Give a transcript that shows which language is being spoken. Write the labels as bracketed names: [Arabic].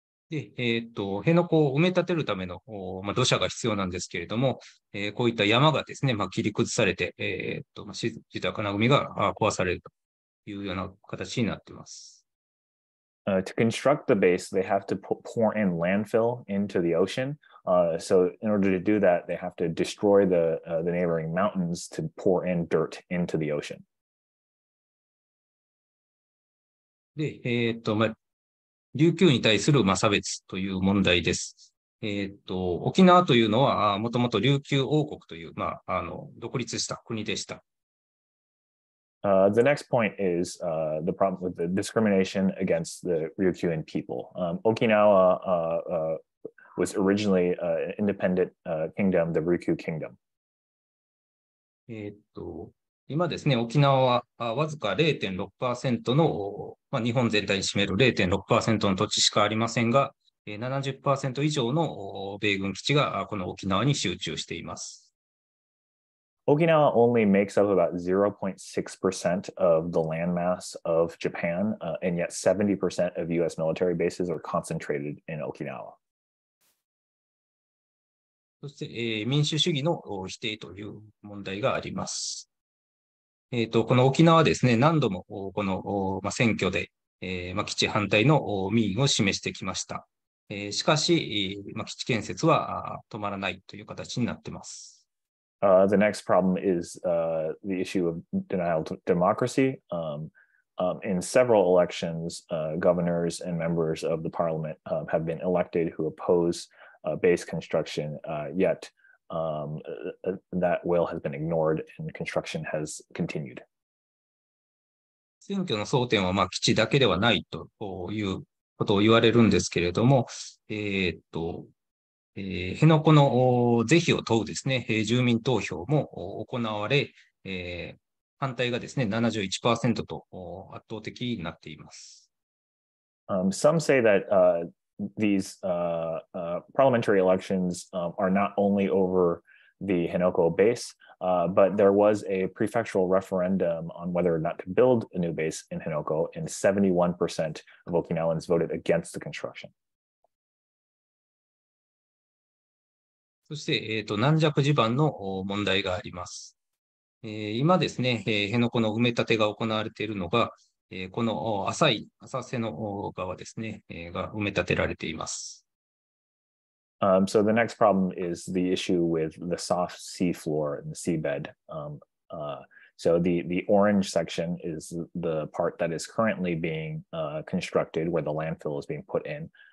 [Japanese] で、辺野古を埋め立てるための、まあ、土砂が必要なんですけれども、こういった山がですね、まあ、切り崩されて、豊かな海が壊されるというような形になっています。 [English] To construct the base, they have to pour in landfill into the ocean. So in order to do that, they have to destroy the neighboring mountains to pour in dirt into the ocean. [Japanese] で、まあ、琉球に対する、まあ、差別という問題です。沖縄というのは、もともと琉球王国という、まあ、独立した国でした。 [English] The next point is the problem with the discrimination against the Ryukyuan people. Okinawa was originally an independent kingdom, the Ryukyu kingdom. [Japanese] 今ですね、沖縄はわずか 0.6% の、まあ、日本全体に占める 0.6% の土地しかありませんが、70% 以上の米軍基地がこの沖縄に集中しています。 [English] Okinawa only makes up about 0.6% of the landmass of Japan, and yet 70% of US military bases are concentrated in Okinawa. [Japanese] そして、民主主義の否定という問題があります。この沖縄はですね、何度もこの、ま、選挙で、ま、基地反対の民意を示してきました。しかし、ま、基地建設は止まらないという形になっています。 [English] The next problem is the issue of denial of democracy. In several elections, governors and members of the parliament have been elected who oppose base construction, yet that will has been ignored and construction has continued. [Japanese] 選挙の争点は、まあ、基地だけではないということを言われるんですけれども、辺野古の是非を問うですね、住民投票も行われ、反対がですね、71% と圧倒的になっています。 [English] Some say that these parliamentary elections are not only over the Henoko base, but there was a prefectural referendum on whether or not to build a new base in Henoko, and 71% of Okinawans voted against the construction. [Japanese] そして、軟弱地盤の問題があります。今ですね、辺野古の埋め立てが行われているのが、この浅い浅瀬の側ですね、が埋め立てられています。 [English] So the next problem is the issue with the soft sea floor and the seabed. So the orange section is the part that is currently being constructed where the landfill is being put in.